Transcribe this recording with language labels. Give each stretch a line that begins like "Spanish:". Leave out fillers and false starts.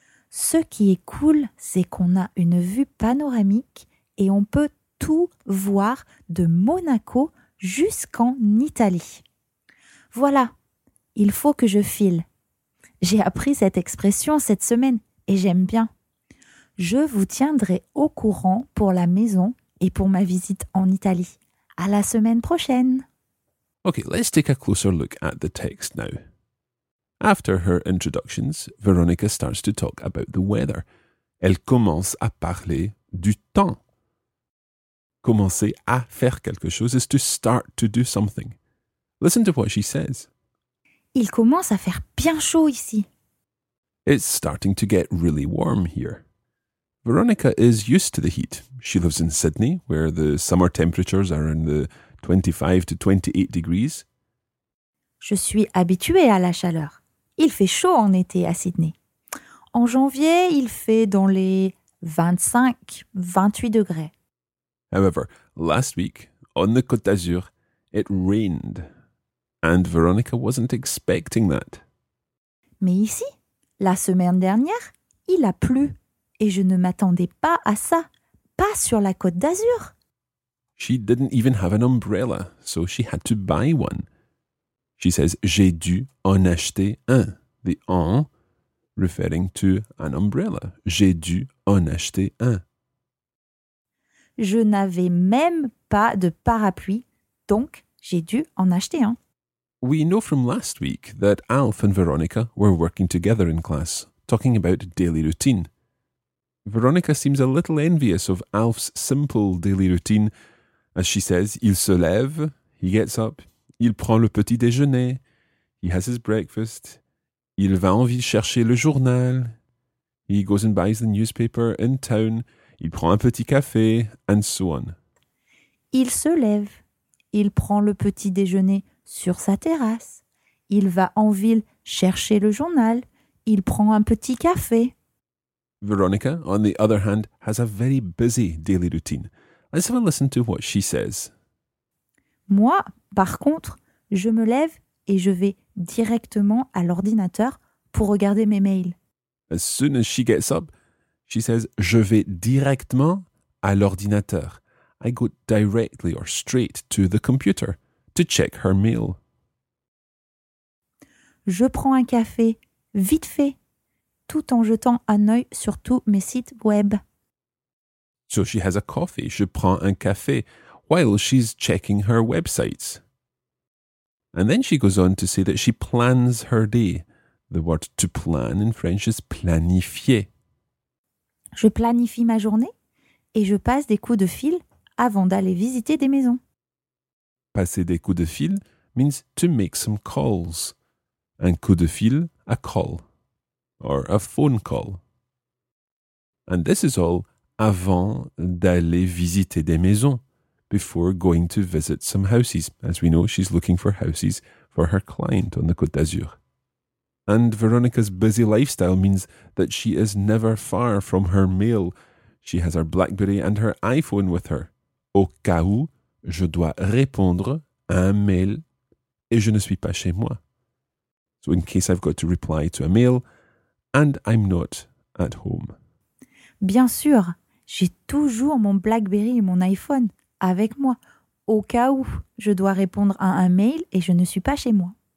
French: Ce qui est cool, c'est qu'on a une vue panoramique et on peut tout voir de Monaco jusqu'en Italie. Voilà, il faut que je file. J'ai appris cette expression cette semaine et j'aime bien. Je vous tiendrai au courant pour la maison et pour ma visite en Italie. À la semaine prochaine.
English: Okay, let's take a closer look at the text now. After her introductions, Veronica starts to talk about the weather.
French: Elle commence à parler du temps. Commencer à faire quelque chose
English: is to start to do something. Listen to what she says.
French: Il commence à faire bien chaud ici.
English: It's starting to get really warm here. Veronica is used to the heat. She lives in Sydney, where the summer temperatures are in the 25 to 28 degrees.
French: Je suis habituée à la chaleur. Il fait chaud en été à Sydney. En janvier, il fait dans les 25-28 degrés.
English: However, last week, on the Côte d'Azur, it rained. And Veronica wasn't expecting that.
French: Mais ici, la semaine dernière, il a plu. Et je ne m'attendais pas à ça. Pas sur la Côte d'Azur.
English: She didn't even have an umbrella, so she had to buy one. She says,
French: j'ai dû en acheter un.
English: The en, referring to an umbrella.
French: J'ai dû en acheter un. Je n'avais même pas de parapluie, donc j'ai dû en acheter un.
English: We know from last week that Alf and Veronica were working together in class, talking about daily routine. Veronica seems a little envious of Alf's simple daily routine. As she says,
French: il se lève,
English: he gets up,
French: il prend le petit déjeuner,
English: he has his breakfast,
French: il va en ville chercher le journal,
English: he goes and buys the newspaper in town,
French: il prend un petit café,
English: and so on.
French: Il se lève, il prend le petit déjeuner sur sa terrasse, il va en ville chercher le journal, il prend un petit café.
English: Veronica, on the other hand, has a very busy daily routine. Let's have a listen to what she says.
French: Moi, par contre, je me lève et je vais directement à l'ordinateur pour regarder mes mails.
English: As soon as she gets up, she says,
French: je vais directement à l'ordinateur.
English: I go directly or straight to the computer to check her mail.
French: Je prends un café, vite fait. Tout en jetant un œil sur tous mes sites web.
English: So she has a coffee,
French: je prends un café,
English: while she's checking her websites. And then she goes on to say that she plans her day. The word to plan in French is planifier.
French: Je planifie ma journée et je passe des coups de fil avant d'aller visiter des maisons. Passer des coups de fil
English: means to make some calls.
French: Un coup de fil,
English: a call. Or a phone call. And this is all
French: avant d'aller visiter des maisons,
English: before going to visit some houses. As we know, she's looking for houses for her client on the Côte d'Azur. And Veronica's busy lifestyle means that she is never far from her mail. She has her BlackBerry and her iPhone with her.
French: Au cas où, je dois répondre à un mail et je ne suis pas chez moi.
English: So in case I've got to reply to a mail, and I'm not at home.
French: Bien sûr, j'ai toujours mon BlackBerry et mon iPhone avec moi, au cas où je dois répondre à un mail et je ne suis pas chez moi.